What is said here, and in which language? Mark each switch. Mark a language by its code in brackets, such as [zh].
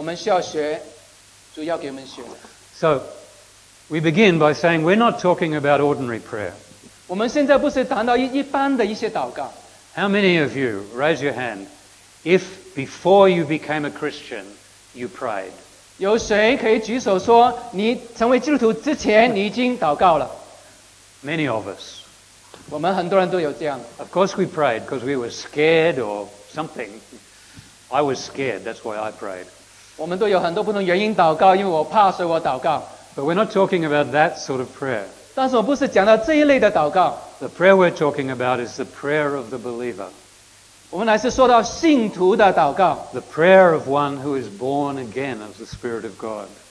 [zh] 你要学习祷告，你就投入。我们可能不能够学所有关于祷告的事情，但是我们需要学主要给我们学的。 [en] So, we begin by saying we're not talking about ordinary prayer. [zh] 我们现在不是谈到一般的一些祷告。 [en] How many of you, raise your hand, if before you became a Christian, you prayed? [zh] 有谁可以举手说,你成为基督徒之前,你已经祷告了? [en] Many of us. [zh] 我们很多人都有这样。 [en] Of course we prayed, because we were scared or something. I was scared, that's why I prayed. [zh] 我们都有很多不同原因祷告,因为我怕,所以我祷告。 [en] But we're not talking about that sort of prayer. [zh] 但是我不是讲到这一类的祷告。 [en] The prayer we're talking about is the prayer of the believer. [zh] 我们乃是说到信徒的祷告。 [en] The prayer of one who is born again of the Spirit of God.